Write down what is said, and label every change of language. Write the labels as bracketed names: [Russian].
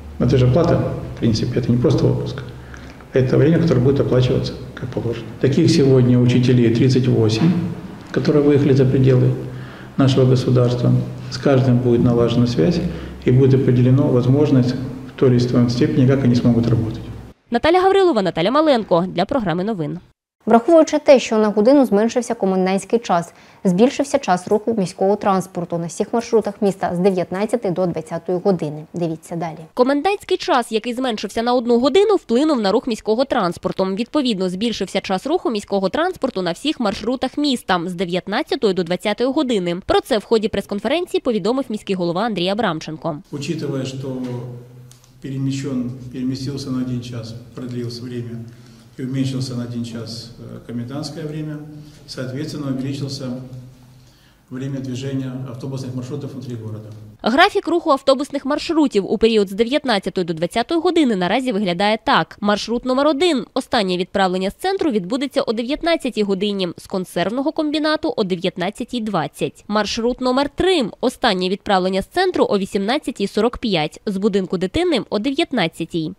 [Ukrainian] Це ж оплата, в принципі, це не просто відпуск. Це час, яке буде оплачуватися, як положено. Таких сьогодні вчителів 38, які виїхали за пределы нашого государства. [Russian] С каждым будет налажена связь и будет определена возможность в той или иной степени, как они смогут работать. [Ukrainian] Наталя Гаврилова, Наталя Маленко для програми новин. Враховуючи те, що на годину зменшився комендантський час, збільшився час руху міського транспорту на всіх маршрутах міста з 19 до 20 години. Дивіться далі. Комендантський час, який зменшився на одну годину, вплинув на рух міського транспорту. Відповідно, збільшився час руху міського транспорту на всіх маршрутах міста з 19 до 20 години. Про це в ході прес-конференції повідомив міський голова Андрій Абрамченко. [Russian] Учитывая, что переместился на один час, продлился время, и уменьшился на один час комендантское время, соответственно, увеличился время движения автобусных маршрутов внутри города. [Ukrainian] Графік руху автобусних маршрутів у період з 19 до 20 години наразі виглядає так. Маршрут номер 1. Останнє відправлення з центру відбудеться о 19 годині, з консервного комбінату – о 19.20. Маршрут номер 3. Останнє відправлення з центру – о 18.45, з будинку дитини – о 19.00.